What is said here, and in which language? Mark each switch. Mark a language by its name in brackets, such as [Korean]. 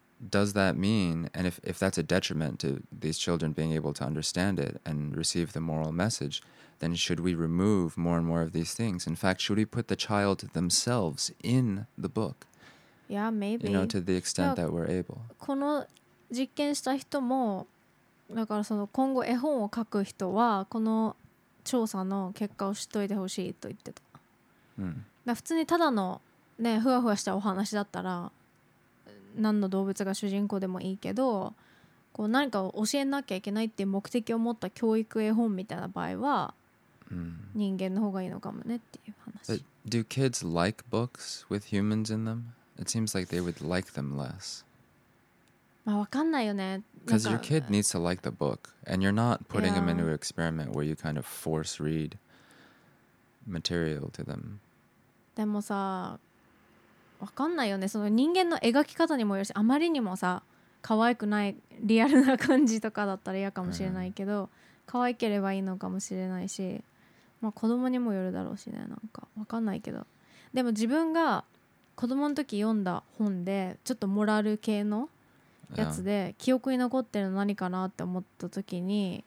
[English] Does that mean, and if that's a detriment to these children being able to understand it and receive the moral message, then should we remove more and more of these things? In fact, should we put the child themselves in the book? Yeah, maybe. You know, to the extent that we're able. [Japanese] この実験した人も、だからその今後絵本を書く人は、この調査の結果を知っといてほしいと言ってた。だ普通にただのね、ふわふわしたお話だったら、何の動物が主人公でもいいけど、こう何かを教えなきゃいけないっていう目的を持った教育絵本みたいな場合は、人間の方がいいのかもねっていう話。 [English] But do kids like books with humans in them? It seems like they would like them less. [Japanese] まあ分かんないよね。 [English] Because your kid needs to like the book, and you're not putting them into an experiment where you kind of force read material to them. [Japanese] でもさ。わかんないよね、その人間の描き方にもよるし、あまりにもさ可愛くないリアルな感じとかだったら嫌かもしれないけど、可愛ければいいのかもしれないし、まあ、子供にもよるだろうしね、なんかわかんないけど。でも自分が子供の時読んだ本でちょっとモラル系のやつで記憶に残ってるの何かなって思った時に、